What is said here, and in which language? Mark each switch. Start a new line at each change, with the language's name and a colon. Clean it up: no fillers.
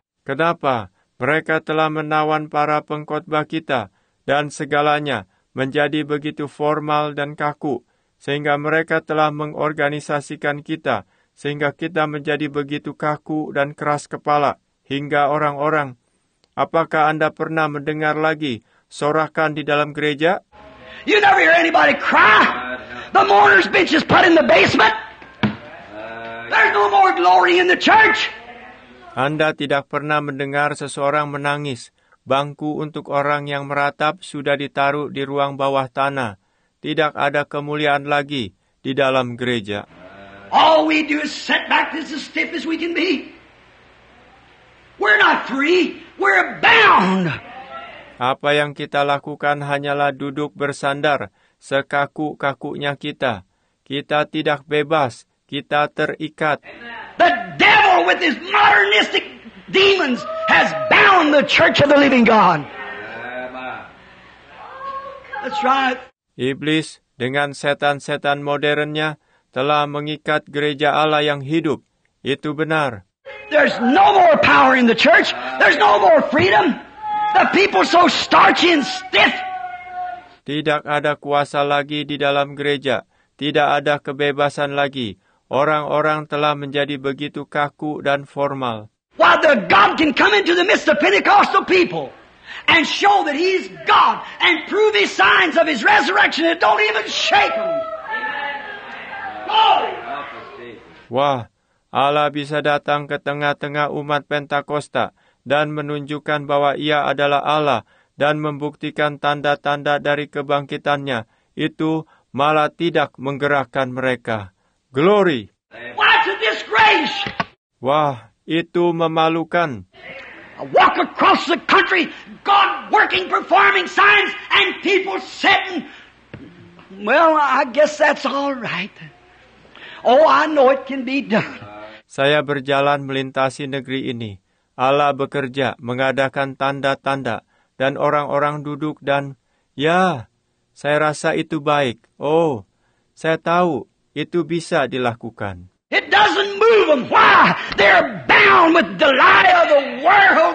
Indonesian: Kenapa? Mereka telah menawan para pengkhotbah kita dan segalanya menjadi begitu formal dan kaku sehingga mereka telah mengorganisasikan kita sehingga kita menjadi begitu kaku dan keras kepala hingga orang-orang. Apakah Anda pernah mendengar lagi sorakan di dalam gereja?
English: You never hear anybody cry. The mourner's bench is put in the basement. There's no more glory in the church.
Indonesian: Anda tidak pernah mendengar seseorang menangis. Bangku untuk orang yang meratap sudah ditaruh di ruang bawah tanah. Tidak ada kemuliaan lagi di dalam gereja.
English: All we do is set back as stiff as we can be. We're not free, we're bound.
Indonesian: Apa yang kita lakukan hanyalah duduk bersandar, sekaku-kakunya kita. Kita tidak bebas, kita terikat.
English: The devil with his modernistic demons has bound the church of the living God. That's right.
Indonesian: Iblis dengan setan-setan modernnya telah mengikat gereja Allah yang hidup. Itu benar.
English: There's no more power in the church. There's no more freedom. The people so starchy and stiff.
Indonesian: Tidak ada kuasa lagi di dalam gereja. Tidak ada kebebasan lagi. Orang-orang telah menjadi begitu kaku dan formal.
English: While the God can come into the midst of Pentecostal people and show that He's God and prove His signs of His resurrection, it don't even shake them.
Indonesian: Wah, Allah bisa datang ke tengah-tengah umat Pentakosta dan menunjukkan bahwa Ia adalah Allah dan membuktikan tanda-tanda dari kebangkitannya. Itu malah tidak menggerakkan mereka.
English: Glory. What a disgrace.
Indonesian: Wah, itu memalukan.
English: I walk across the country, God working, performing signs, and people sitting. Well, I guess that's all right. Oh, I know it can be done.
Indonesian: Saya berjalan melintasi negeri ini. Allah bekerja, mengadakan tanda-tanda, dan orang-orang duduk dan, ya, saya rasa itu baik. Oh, saya tahu itu bisa dilakukan.
English: It doesn't move them. Why? They're bound with the lie of the world.